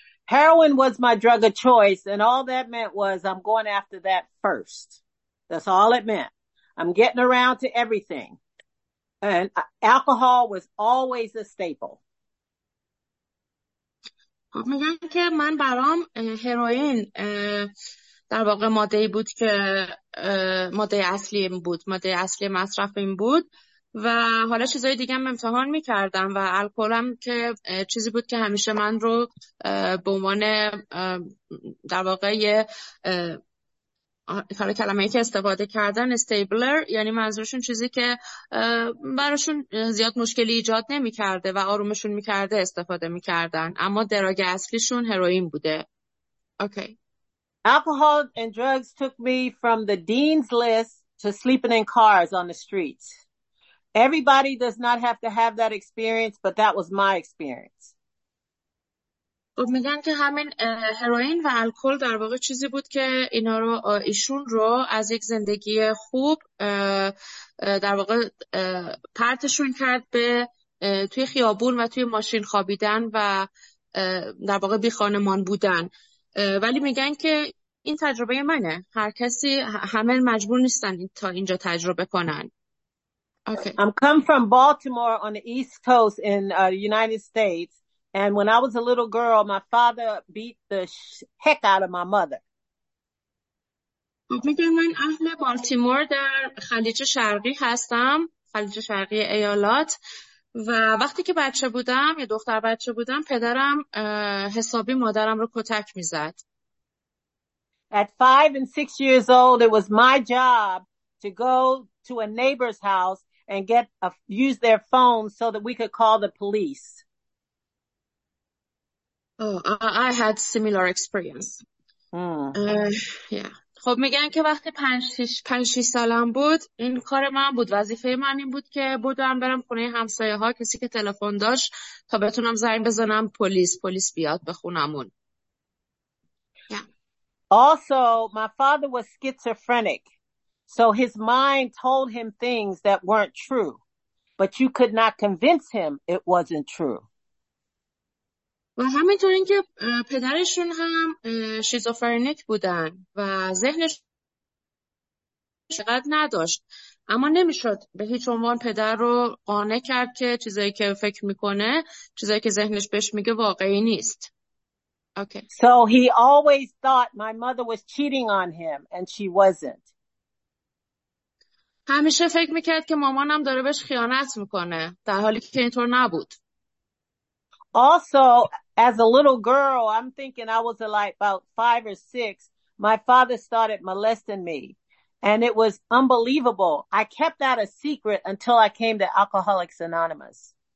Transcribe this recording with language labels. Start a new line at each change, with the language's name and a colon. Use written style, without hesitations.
English: Heroin was my drug of choice and all that meant was I'm going after that first. That's all it meant. I'm getting around to everything. And alcohol was always a staple.
Persian: میگن که من برام هروئین در واقع ماده بود که ماده اصلی این بود، ماده اصلی مصرف این بود و حالا چیزای دیگه هم امتحان میکردم و الکل هم که چیزی بود که همیشه من رو به عنوان در واقع حالا کلمه ای که استفاده کردن استیبلر، یعنی منظورشون چیزی که براشون زیاد مشکلی ایجاد نمی کرده و آرومشون می کرده استفاده می کردن، اما دراگ اصلیشون هروئین بوده.
English: Okay. Alcohol and drugs took me from the dean's list to sleeping in cars on the streets. Everybody does not have to have that experience, but that was my experience.
Persian: خب میگن که همین هروئین و الکل در واقع چیزی بود که اینا رو ایشون رو از یک زندگی خوب در واقع پرتشون کرد به توی خیابون و توی ماشین خوابیدن و در واقع بی خانمان بودن. ولی میگن که این تجربه منه، هر کسی همه مجبور نیستن تا اینجا تجربه کنن.
English: Okay. I'm come from Baltimore on the East Coast in the United States. And when I was a little girl, my father beat the heck out of my mother.
Persian: من اهل بالتیمور در خلیج شرقی هستم، خلیج شرقی ایالات، و وقتی که بچه بودم یا دختر بچه بودم پدرم حسابی مادرم رو کتک می‌زد.
English: At 5 and 6 years old, it was my job to go to a neighbor's house and use their phone so that we could call the police. Oh, I had similar experience. Mm. Yeah.
Persian: خب میگن که وقتی 5-6 سالم بود این کار من بود، وظیفه من این بود که بودم برم خونه همسایه ها کسی که تلفن داشت تا بتونم زنگ بزنم پلیس، پلیس بیاد به خونمون.
English: Also, my father was schizophrenic, so his mind told him things that weren't true, but you could not convince him it wasn't true.
Persian: و همینطور اینکه پدرشون هم شیزوفرنیک بودن و ذهنش چقدر نداشت، اما نمیشد به هیچ عنوان پدر رو قانع کرد که چیزایی که فکر میکنه، چیزایی که ذهنش بهش میگه واقعی نیست.
English: Okay. So he always thought my mother was cheating on him and she wasn't.
Persian: همیشه فکر میکرد که مامانم داره بهش خیانت میکنه در حالی که اینطور نبود.
English: Also, as a little girl, I'm thinking I was like about 5 or 6, my father started molesting me. And it was unbelievable. I kept that a secret until I came to Alcoholics Anonymous.